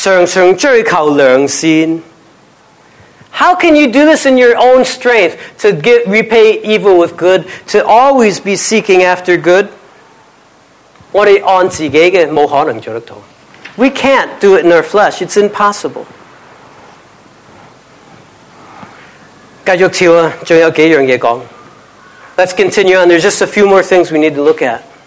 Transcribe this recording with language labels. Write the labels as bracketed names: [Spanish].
[Chinese] 是不可能靠自己的力量做这些，以善待恶，常常追求良善。 [English] How can you do this in your own strength to get, repay evil with good, to always be seeking after good? [Chinese] 我们按自己的不可能做得到。 [English] We can't do it in our flesh. It's impossible. [Chinese] 继续跳，还有几样东西讲。 [English] Let's continue on. There's just a few more things we need to look at.